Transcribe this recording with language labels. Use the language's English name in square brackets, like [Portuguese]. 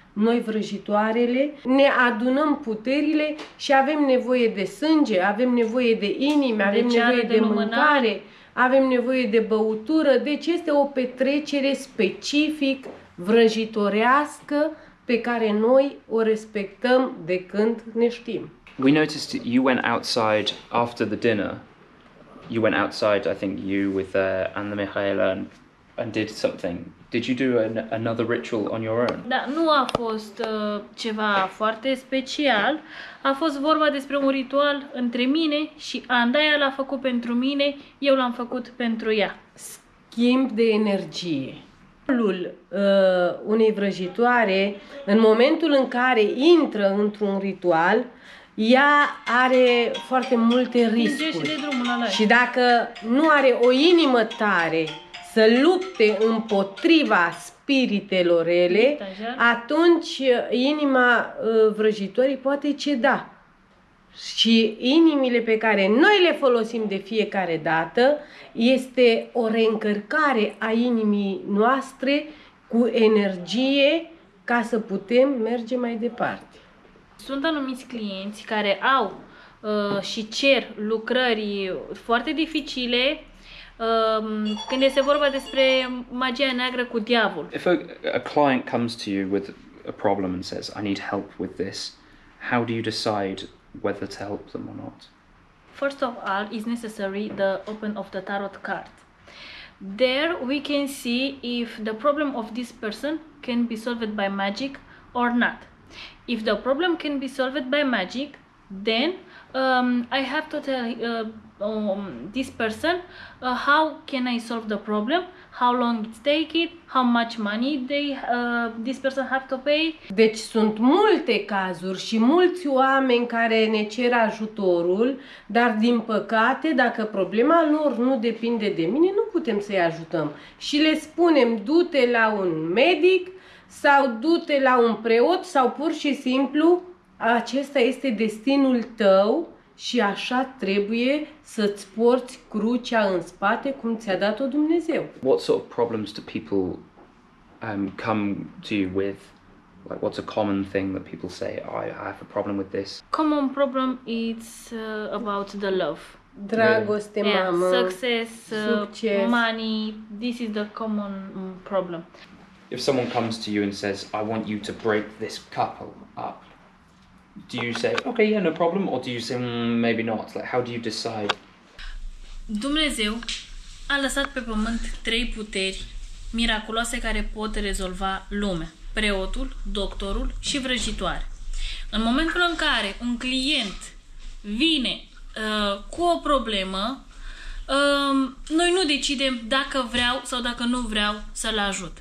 [Romanian] Noi vrăjitoarele ne adunăm puterile și avem nevoie de sânge, avem nevoie de inimi, avem nevoie de mâncare, avem nevoie de băutură. Deci este o petrecere specific vrăjitorească pe care noi o respectăm de când ne știm. [English] We noticed you went outside after the dinner. You went outside, I think you with and the Mihaela and did something. Did you do another ritual on your own? [Romanian] Da, nu a fost ceva foarte special. A fost vorba despre un ritual între mine și Andaia l-a făcut pentru mine, eu l-am făcut pentru ea. Schimb de energie. Rolul unei vrăjitoare, în momentul în care intră într-un ritual, ea are foarte multe riscuri. Și dacă nu are o inimă tare să lupte împotriva spiritelor rele, atunci inima vrăjitorii poate ceda. Și inimile pe care noi le folosim de fiecare dată este o reîncărcare a inimii noastre cu energie ca să putem merge mai departe. Sunt anumiți clienți care au și cer lucrări foarte dificile când este vorba despre magia neagră cu diavol. [English] If a client comes to you with a problem and says, I need help with this, how do you decide whether to help them or not? First of all, is necessary the open of the tarot card. There we can see if the problem of this person can be solved by magic or not. If the problem can be solved by magic, then I have to tell this person how can I solve the problem, how long it take it, how much money this person have to pay. [Romanian] Deci sunt multe cazuri și mulți oameni care ne cer ajutorul, dar din păcate, dacă problema lor nu depinde de mine, nu putem să-i ajutăm. Și le spunem, du-te la un medic, sau du-te la un preot, sau pur și simplu, acesta este destinul tău și așa trebuie să-ți porți crucea în spate cum ți-a dat-o Dumnezeu. [English] What sort of problems do people come to you with? Like, what's a common thing that people say, oh, I have a problem with this? Common problem is about the love. [Romanian] Dragoste, [English] yeah. [Romanian] Mama. [English] Success, money. This is the common problem. If someone comes to you and says, I want you to break this couple up, do you say, okay, yeah, no problem? Or do you say, maybe not? Like, how do you decide? [Romanian] Dumnezeu a lăsat pe pământ trei puteri miraculoase care pot rezolva lumea. Preotul, doctorul și vrăjitoare. În momentul în care un client vine cu o problemă, noi nu decidem dacă vreau sau dacă nu vreau să-l ajut.